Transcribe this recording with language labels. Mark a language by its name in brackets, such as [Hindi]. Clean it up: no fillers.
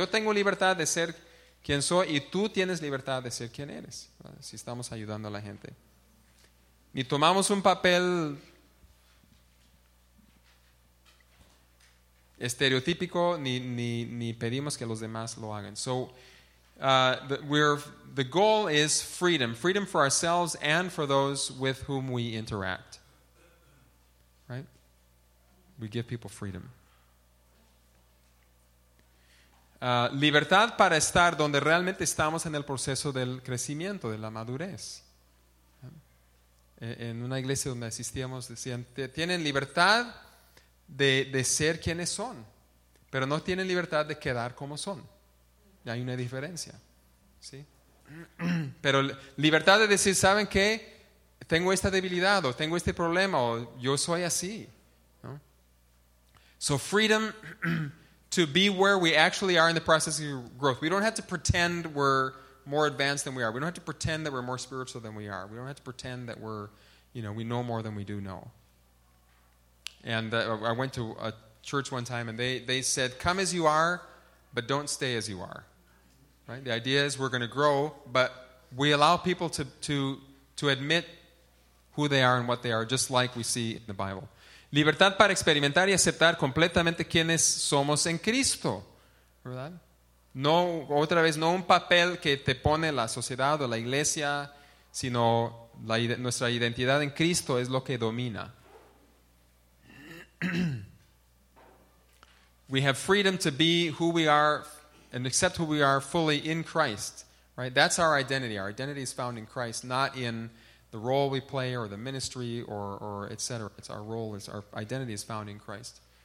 [Spanish] Yo tengo libertad de ser quien soy y tú tienes libertad de ser quien eres, si estamos ayudando a la gente. Y tomamos un papel estereotípico, ni pedimos que los demás lo hagan. [English] So, the goal is freedom for ourselves and for those with whom we interact, right? We give people freedom. [Spanish] Libertad para estar donde realmente estamos en el proceso del crecimiento, de la madurez. En una iglesia donde asistíamos decían, tienen libertad de ser quienes son, pero no tienen libertad de quedar como son. Y hay una diferencia. ¿Sí? Pero libertad de decir, ¿saben qué? Tengo esta debilidad, o tengo este problema, o yo soy así, ¿no? [English] So freedom to be where we actually are in the process of growth. We don't have to pretend we're more advanced than we are. We don't have to pretend that we're more spiritual than we are. We don't have to pretend that we're, you know, we know more than we do know. And I went to a church one time, and they said, come as you are, but don't stay as you are. Right? The idea is we're going to grow, but we allow people to admit who they are and what they are, just like we see in the Bible. [Spanish] Libertad para experimentar y aceptar completamente quienes somos en Cristo. ¿Verdad? No, otra vez, no un papel que te pone la sociedad o la iglesia, sino nuestra identidad en Cristo es lo que domina. [English] We have freedom to be who we are and accept who we are fully in Christ, right? That's our identity. Our identity is found in Christ, not in the role we play or the ministry or et cetera. It's our role, it's our identity is found in Christ.